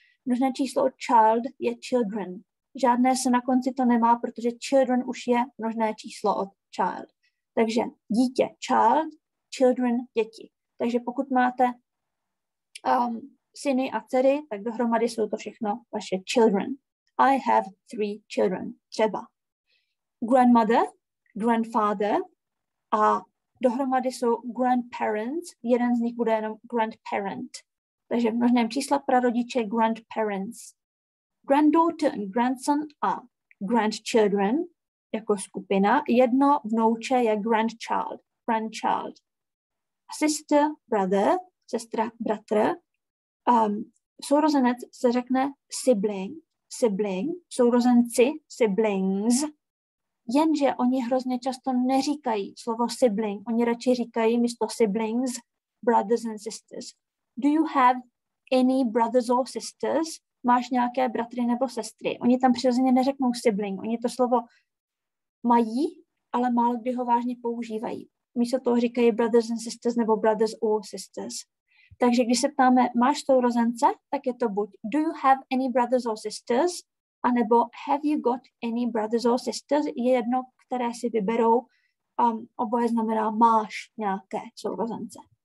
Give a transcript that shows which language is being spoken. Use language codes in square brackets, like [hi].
[cs] Množné číslo od child je children. Žádné se na konci to nemá, protože children už je množné číslo od child. Takže dítě, child, children, děti. Takže pokud máte syny a dcery, tak dohromady jsou to všechno vaše children. [en] I have three children, [cs] třeba. Grandmother, grandfather a dohromady jsou grandparents. Jeden z nich bude jenom grandparent. Takže v množném čísle prarodiče grandparents. [en] Granddaughter and grandson a grandchildren [cs] jako skupina. Jedno vnouče je grandchild, grandchild. Sister, brother, sestra, bratr. Sourozenec se řekne sibling, sibling. Sourozenci, siblings. Jenže oni hrozně často neříkají slovo sibling. Oni radši říkají místo siblings, [en] brothers and sisters. Do you have any brothers or sisters? [cs] Máš nějaké bratry nebo sestry? Oni tam přirozeně neřeknou sibling. Oni to slovo mají, ale málo kdy ho vážně používají. místo toho říkají [en] brothers and sisters [cs] nebo [en] brothers or sisters. [cs] Takže když se ptáme, máš sourozence, tak je to buď [en] do you have any brothers or sisters, [cs] anebo [en] have you got any brothers or sisters, [cs] je jedno, které si vyberou, oboje znamená máš nějaké sourozence.